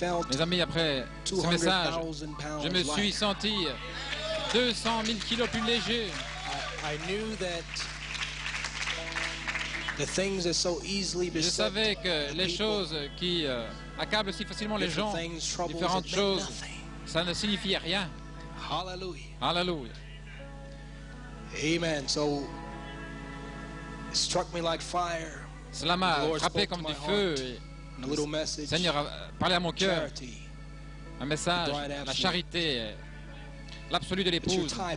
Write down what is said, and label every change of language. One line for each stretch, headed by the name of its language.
French: Mes amis, après ce message, je me suis senti 200 000 kilos plus léger.
English: I knew that the things are so easily beset.
French: Je savais que les choses qui accablent si facilement les gens, différentes choses, ça ne signifie rien. Hallelujah. Hallelujah. Amen.
English: So it struck me like fire.
French: Cela m'a frappé comme du feu. Le Seigneur a parlé à mon cœur. Un message, la charité, l'absolu de l'épouse.